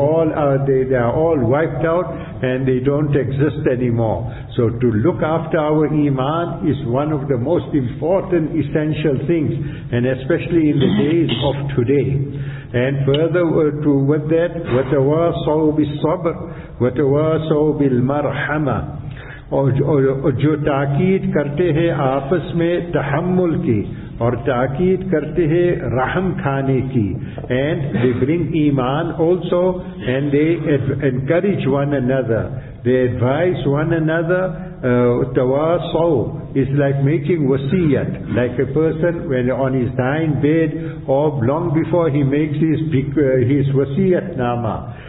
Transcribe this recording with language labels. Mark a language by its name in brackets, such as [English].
[English] They are all wiped out and they don't exist anymore. So to look after our Iman is one of the most important essential things, and especially in the days of today. And further to with that, [Arabic] وَتَوَاصَوْ بِالصَّبْرِ وَتَوَاصَوْ بِالْمَرْحَمَةِ. [Urdu] جو تاکید کرتے ہیں آپس میں تحمل کی اور تاکید کرتے ہیں رحم کھانے کی. [English] And they bring Iman also, and they encourage one another. They advise one another. Tawasaw is like making wasiyat, like a person when on his dying bed or long before he makes his wasiyat nama.